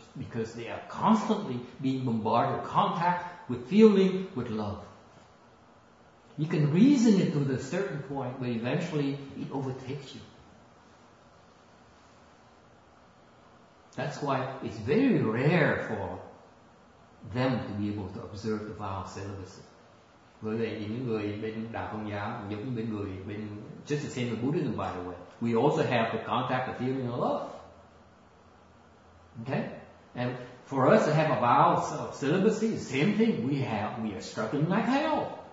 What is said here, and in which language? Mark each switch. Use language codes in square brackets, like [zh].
[en] Because they are constantly being bombarded with contact, with feeling, with love. You can reason it to the certain point, but eventually it overtakes you. That's why it's very rare for them to be able to observe the vow of celibacy. [vi] Với lại những người bên đạo Công giáo, giống bên người bên [en] just the same as Buddhism, by the way. We also have the contact, the feeling, and love. Okay? And for us to have a vow of celibacy, same thing, we are struggling like hell.